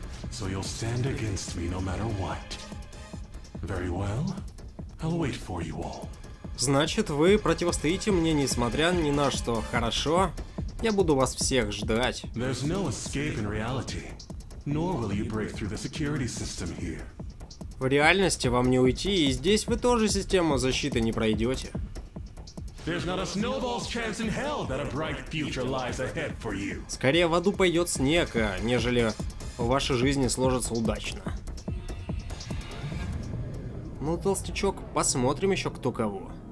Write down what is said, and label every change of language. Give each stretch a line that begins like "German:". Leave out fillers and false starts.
English: So you'll stand against me no matter what. Very well. I'll wait for you all.
Russian: Значит, вы противостоите мне, несмотря ни на что. Хорошо. Я буду вас всех ждать.
English: There's no escape in reality. Nor will you break through the security system here.
Russian: В реальности вам не уйти, и здесь вы тоже систему защиты не пройдете.
English: There's not a snowball's chance in hell that a bright future lies ahead for you.
Russian: Скорее в аду пойдет снег, нежели в вашей жизни сложится удачно. Ну, толстячок, посмотрим еще кто кого.